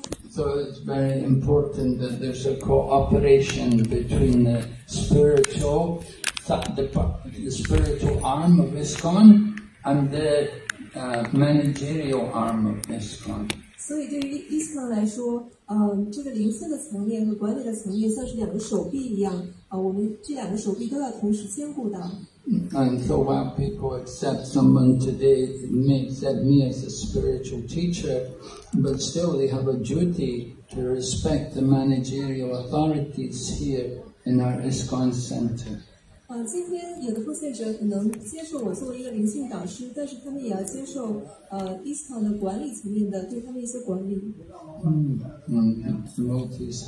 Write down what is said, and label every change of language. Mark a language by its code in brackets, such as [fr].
[en] So it's very important that there's a cooperation between the spiritual arm of ISKCON and the managerial arm of ISKCON. [zh] 所以对于ISKCON来说，这个灵性的层面和管理的层面像是两个手臂一样，我们这两个手臂都要同时兼顾的。And [en] so while people accept someone today, may accept me as a spiritual teacher, but still they have a duty to respect the managerial authorities here in our ISKCON center. [zh] 今天有的奉献者可能接受我作为一个灵性导师，但是他们也要接受ISKCON的管理层面的对他们一些管理。Devotees